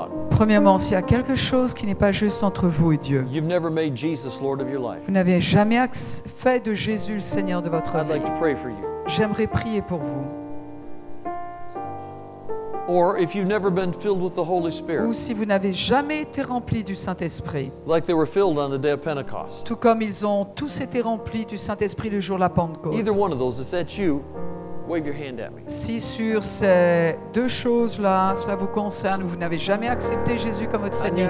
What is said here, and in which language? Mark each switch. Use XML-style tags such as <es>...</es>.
<fr>Premièrement, s'il y a quelque chose qui n'est pas juste entre vous et Dieu, vous n'avez jamais fait de Jésus le Seigneur de votre vie, j'aimerais prier pour vous.</fr> <en>Or if you've never been filled with the Holy Spirit.</en> <fr>Ou si vous n'avez jamais été rempli du Saint-Esprit.</fr> <en>Like they were filled on the day of Pentecost.</en> <fr>Tout comme ils ont tous été remplis du Saint-Esprit le jour de la Pentecôte.</fr> <en>Either one of those, if that's you, wave your hand at me.</en> <fr>Si sur ces deux choses-là, cela vous concerne, ou vous n'avez jamais accepté Jésus comme votre Seigneur.</fr>